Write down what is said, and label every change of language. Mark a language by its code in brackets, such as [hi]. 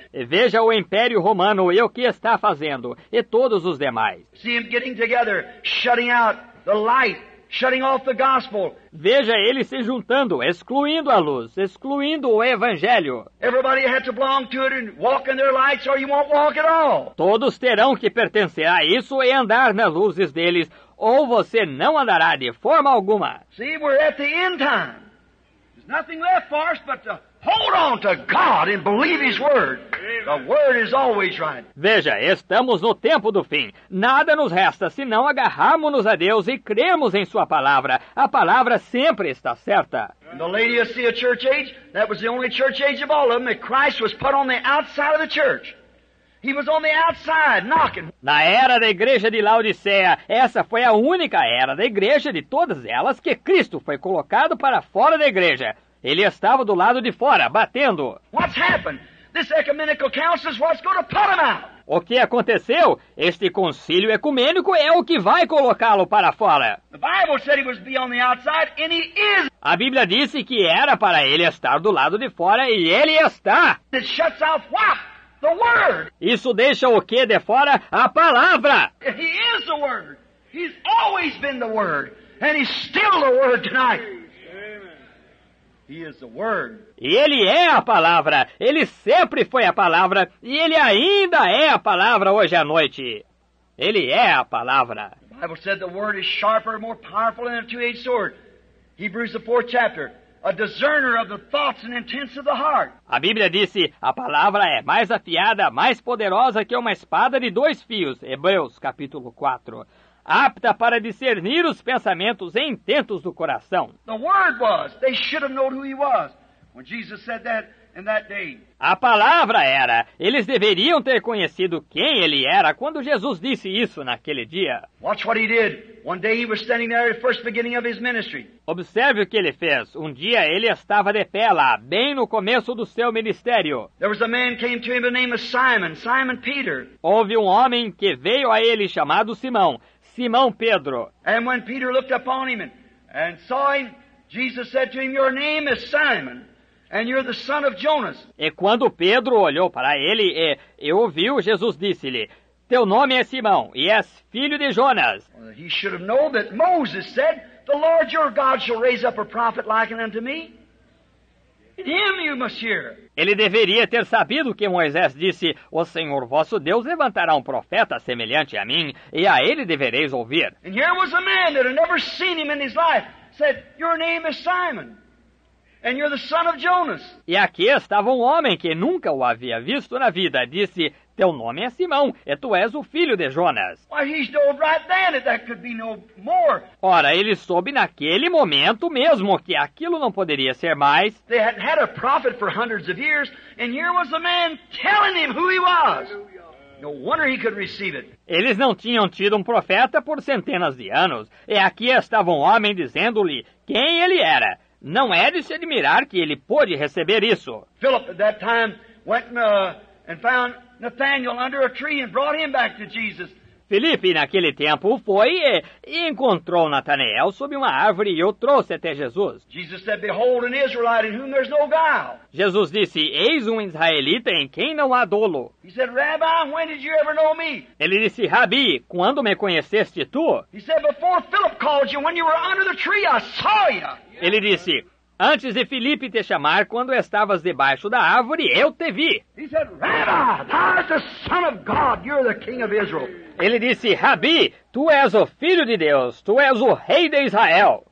[pt] E veja o Império Romano e o que está fazendo, e todos os demais. [en] See them getting together, shutting out the light. Shutting off the gospel. [pt] Veja eles se juntando, excluindo a luz, excluindo o evangelho. [en] Everybody has to belong to it and walk in their lights or you won't walk at all. [pt] Todos terão que pertencer a isso e andar nas luzes deles, ou você não andará de forma alguma. [en] See, we're at the end time. There's nothing left for us but to hold on to God and believe His Word. The Word is always right. [pt] Veja, estamos no tempo do fim. Nada nos resta senão agarrarmos-nos a Deus e cremos em Sua Palavra. A Palavra sempre está certa. [en] And the Laodicea church age, that was the only church age of all of them, that Christ was put on the outside of the church. He was on the outside knocking. [pt] Na era da igreja de Laodiceia, essa foi a única era da igreja de todas elas que Cristo foi colocado para fora da igreja. Ele estava do lado de fora, batendo. [en] What's happened? This ecumenical council is what's going to put him out. [pt] O que aconteceu? Este concílio ecumênico é o que vai colocá-lo para fora. [en] The Bible said he was be on the outside, and he is. [pt] A Bíblia disse que era para ele estar do lado de fora, e ele está. [en] It shuts out what? The Word. [pt] Isso deixa o que de fora? A Palavra. [en] He is the Word. He's always been the Word. And he's still the Word tonight. He is the Word. [pt] E ele é a Palavra. Ele sempre foi a Palavra. E ele ainda é a Palavra hoje à noite. Ele é a Palavra. [en] The Bible said the Word is sharper, more powerful than a two-edged sword. Hebrews, the fourth chapter. A discerner of the thoughts and intents of the heart. [pt] A Bíblia disse, a Palavra é mais afiada, mais poderosa que uma espada de dois fios. Hebreus, capítulo 4. Apta para discernir os pensamentos e intentos do coração. [en] The Word was. They should have known who He was. When Jesus said that in that day. [pt] A Palavra era. Eles deveriam ter conhecido quem Ele era quando Jesus disse isso naquele dia. [en] Watch what He did. One day He was standing there at the first beginning of His ministry. [pt] Observe o que Ele fez. Um dia Ele estava de pé lá, bem no começo do Seu ministério. [en] There was a man came to Him by the name of Simon. Simon Peter. [pt] Houve um homem que veio a Ele chamado Simão. Simão Pedro. [en] And when Peter looked upon him and saw him, Jesus said to him, your name is Simon, And you're the son of Jonas. [pt] E quando Pedro olhou para ele e ouviu, Jesus disse-lhe, teu nome é Simão e és filho de Jonas. [en] He should have known that Moses said, the Lord your God shall raise up a prophet like unto me. Him you must hear. [pt] Ele deveria ter sabido que Moisés disse, o Senhor vosso Deus levantará um profeta semelhante a mim e a ele devereis ouvir. [en] And here was a man that had never seen him in his life, said, your name is Simon. And you're the son of Jonas. [pt] E aqui estava um homem que nunca o havia visto na vida. Disse, teu nome é Simão, e tu és o filho de Jonas. [en] Why, he knew right then that that could be no more. [pt] Ora, ele soube naquele momento mesmo que aquilo não poderia ser mais. [en] They hadn't had a prophet for hundreds of years, and here was a man telling him who he was. No wonder he could receive it. [pt] Eles não tinham tido um profeta por centenas de anos. E aqui estava um homem dizendo-lhe quem ele era. Não é de se admirar que ele pôde receber isso. [en] Philip, at that time, went and found Nathanael under a tree and brought him back to Jesus. [pt] Felipe, naquele tempo, foi e encontrou Nathanael sob uma árvore e o trouxe até Jesus. [en] Jesus said, behold, an Israelite in whom there's no guile. [pt] Jesus disse, eis um israelita em quem não há dolo. [en] He said, Rabbi, when did you ever know me? [pt] Ele disse, Rabi, quando me conheceste tu? [en] He said, before Philip called you, when you were under the tree, I saw you. [pt] Ele disse, antes de Felipe te chamar, quando estavas debaixo da árvore, eu te vi. [en] He said, Rabbi, thou art the son of God, you're the king of Israel. [pt] Ele disse, Rabi, tu és o filho de Deus, tu és o rei de Israel.